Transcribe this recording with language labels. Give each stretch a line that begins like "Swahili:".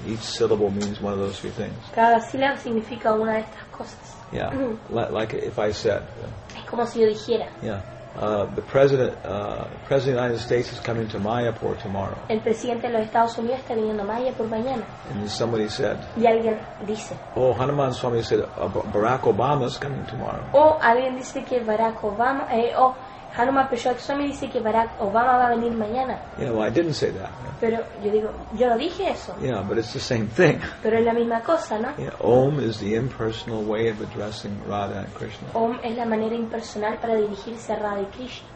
English: Each syllable means one of those three things.
Spanish: Cada sílaba significa una de estas cosas.
English: Yeah. Like if I said.
Spanish: Es como si yo dijera.
English: Yeah. The president of the United States is coming to Mayapur tomorrow.
Spanish: El presidente de los Estados Unidos está viniendo a Mayapur mañana.
English: And somebody said.
Spanish: Y alguien dice.
English: Oh, Hanuman Swami said Barack Obama is coming tomorrow.
Spanish: Oh, alguien dice que Barack Obama. Hanuman Prashad Swami dice que Barack Obama va a venir mañana.
English: Yeah, well, I didn't say that. Yeah.
Spanish: Pero yo digo, yo no dije eso.
English: Yeah, but it's the same thing.
Spanish: Pero es la misma cosa, ¿no?
English: Yeah, Om is the impersonal way of addressing Radha and Krishna.
Spanish: Om es la manera impersonal para dirigirse a Radha y Krishna.